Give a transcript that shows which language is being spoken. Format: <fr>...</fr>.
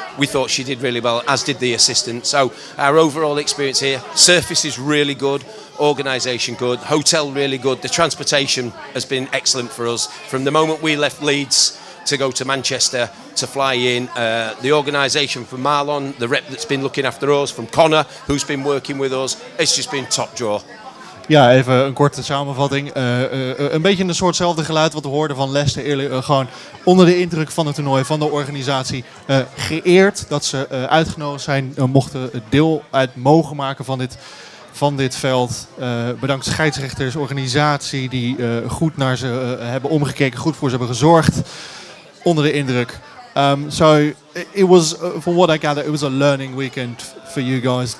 <en>We thought she did really well, as did the assistant. So our overall experience here, surface is really good, organisation good, hotel really good. The transportation has been excellent for us. From the moment we left Leeds to go to Manchester to fly in, the organisation from Marlon, the rep that's been looking after us, from Connor, who's been working with us, it's just been top draw.</en> <nl>Ja, even een korte samenvatting. Een beetje een soortzelfde geluid wat we hoorden van Leicester. Gewoon onder de indruk van het toernooi, van de organisatie. Geëerd dat ze uitgenodigd zijn, mochten deel uit mogen maken van dit veld. Bedankt scheidsrechters, organisatie die goed naar ze hebben omgekeken, goed voor ze hebben gezorgd. Onder de indruk.</nl> <en>So it was, from what I gather, it was a learning weekend for you guys.</en>